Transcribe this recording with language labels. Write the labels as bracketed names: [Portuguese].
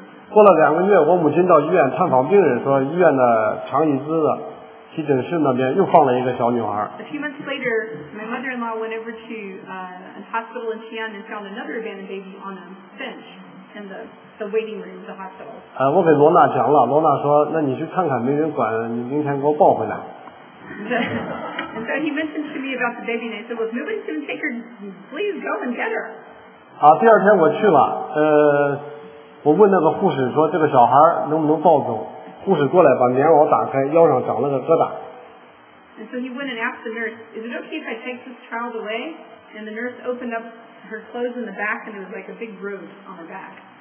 [Chinese] 过了两个月，我母亲到医院探访病人，说医院的长椅子的急诊室那边又放了一个小女孩。 [English] A few months later, my mother-in-law went over to a hospital in Xi'an and found another abandoned baby on a bench in the waiting room of the hospital. [Chinese] 我给罗娜讲了，罗娜说，那你去看看，没人管，你明天给我抱回来。 [English] And so he mentioned to me about the baby, and I said, well, if nobody's going to take her, please go and get her. [Chinese] 好，第二天我去了。我问那个护士说这个小孩能不能抱走，护士过来把棉袄打开，腰上长了个疙瘩。And [English] so he went and asked the nurse, is it okay if I take this child away? And the nurse opened up her clothes in the back and there was like a big bruise on her back.